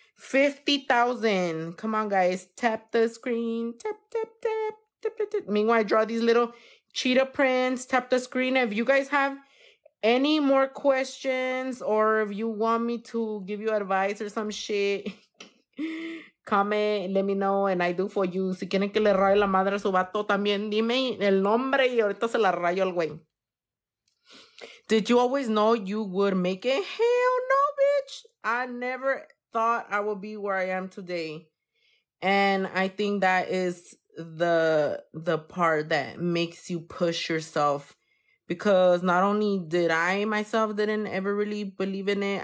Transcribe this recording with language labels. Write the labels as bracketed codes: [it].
[en] 50,000. Come on, guys. Tap the screen. Tap. Meanwhile, I draw these little cheetah prints. Tap the screen. If you guys have any more questions or if you want me to give you advice or some shit, comment, let me know, and I do for you. [es] Si quieren que le raye la madre a su vato también, dime el nombre y ahorita se la rayo al güey. [en] Did you always know you would make it? Hell no, bitch. I never thought I would be where I am today. And I think that is the part that makes you push yourself. Because not only did I myself didn't ever really believe in it.